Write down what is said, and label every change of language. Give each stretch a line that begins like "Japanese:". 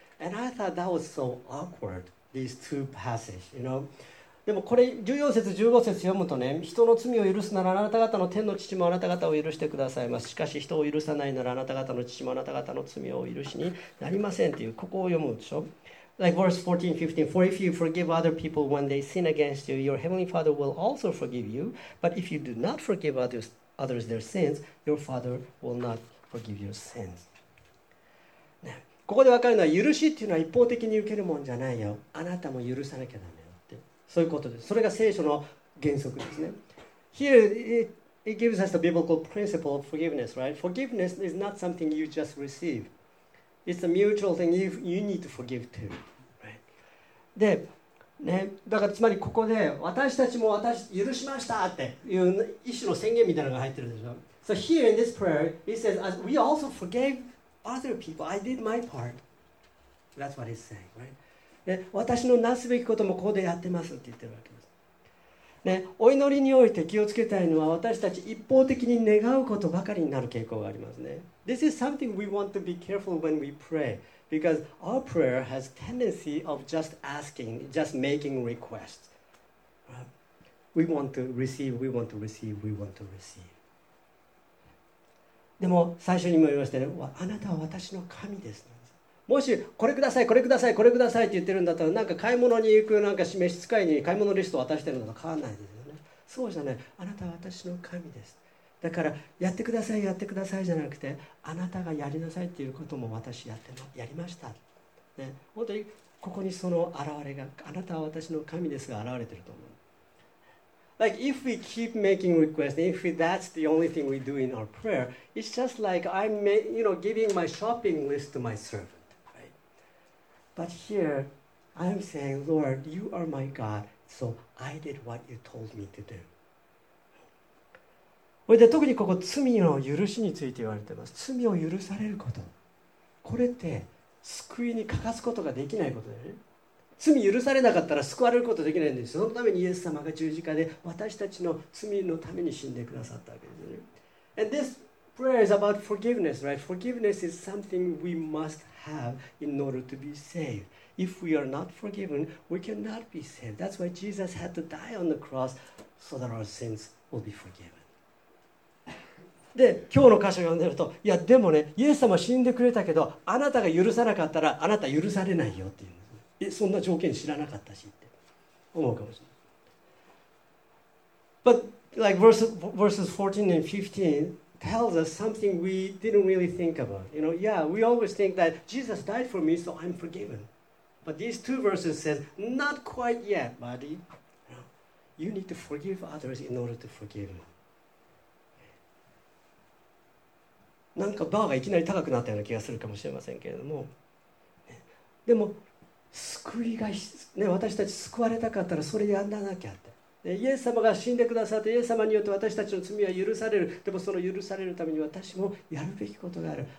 English: And I thought that was so awkward, these two passages, you know?
Japanese: でもこれ14節15節読むとね、人の罪を許すならあなた方の天の父もあなた方を許してくださいます、しかし人を許さないならあなた方の父もあなた方の罪を許しになりませんっていう、ここを読むでしょ。
English: Like verse 14, 15, for if you forgive other people when they sin against you, your heavenly Father will also forgive you. But if you do not forgive others their sins, your Father will not forgive your sins.、
Japanese: ね、ここで分かるのは、許しっていうのは一方的に受けるもんじゃないよ。あなたも許さなきゃダメよって。そういうことです。それが聖書の原則ですね。
English: Here, it gives us the biblical principle of forgiveness, right? Forgiveness is not something you just receive. It's a mutual thing you need to forgive too.、Right.
Japanese: で、ね、だからつまりここで私たちも私許しましたっていう一種の宣言みたいなのが入ってるでしょ。
English: So here in this prayer, it says, we also forgave other people. I did my part. That's what it's saying, right?
Japanese: 私のなすべきこともここでやってますって言ってるわけです。ね、お祈りにおいて気をつけたいのは、私たち一方的に願うことばかりになる傾向がありますね。
English: This is something we want to be careful when we pray, because our prayer has tendency of just asking, just making requests. We want to receive, we want to receive, we want to receive.
Japanese: でも最初にも言いましたね、あなたは私の神です。もしこれください、これください、これくださいって言ってるんだったら、なんか買い物に行くなんか召使いに買い物リストを渡してるのと変わらないですよね。そうじゃない、あなたは私の神です。だからやってください、やってくださいじゃなくて、あなたがやりなさいっていうことも私やりました、ね。本当にここにその現れが、あなたは私の神ですが現れてると思う。
English: Like if we keep making requests, if that's the only thing we do in our prayer, it's just like I'm you know, giving my shopping list to my servant. But here, I'm saying, Lord, you are my God, so I did what you told me to do.
Japanese: これで特にここ、罪の許しについて言われています。罪を許されること。これって救いに欠かすことができないことだよね。罪許されなかったら救われることできないんですよ。そのためにイエス様が十字架で私たちの罪のために死んでくださったわけですよね。
English: And this prayer is about forgiveness, right? Forgiveness is something we must haveHave in order to be saved. If we are not forgiven, we cannot be saved. That's why Jesus had to die on the cross so that our sins will be forgiven.
Japanese: で、今日の箇所を読んでると、いやでもね、イエス様は死んでくれたけど、あなたが許さなかったらあなた許されないよっていう。え、そんな条件知らなかったしって思うかもしれない。
English: But like verses 14 and 15. Tells us something we didn't really think about. You know, yeah, we always think that Jesus died for me, so I'm forgiven. But these two verses says, not quite yet, buddy. You need to forgive others in order to forgive me.
Japanese: なんかバーがいきなり高くなったような気がするかもしれませんけれども、でも救いがね、私たち救われたかったらそれやらなきゃって。イエス様が死んでくださって、イエス様によって私たちの罪は許される。でもその許されるために私もやるべきことがある。